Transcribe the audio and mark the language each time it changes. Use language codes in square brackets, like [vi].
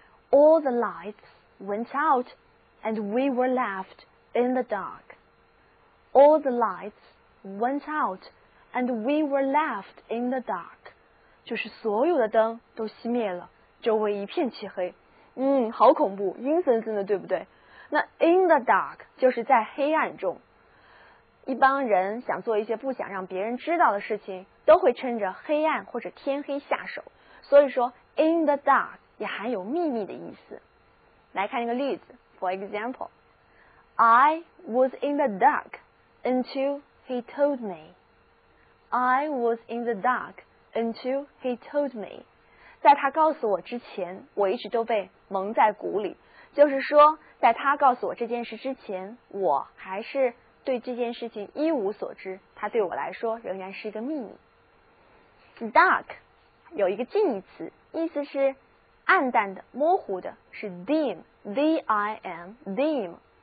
[en] All the lights went out and we were left in the dark. All the lights went out and we were left in the dark. [zh] 就是所有的灯都熄灭了，周围一片漆黑。嗯，好恐怖，阴森森的，对不对？那 in the dark 就是在黑暗中。一帮人想做一些不想让别人知道的事情，都会趁着黑暗或者天黑下手，所以说 in the dark 也含有秘密的意思。来看一个例子， [en] for example， I was in the dark until he told me. I was in the dark until he told me. [zh] 在他告诉我之前，我一直都被蒙在鼓里，就是说在他告诉我这件事之前，我还是对这件事情一无所知，它对我来说仍然是一个秘密。 Dark 有一个近义词，意思是暗淡的、模糊的，是 dim， D-I-M， dim。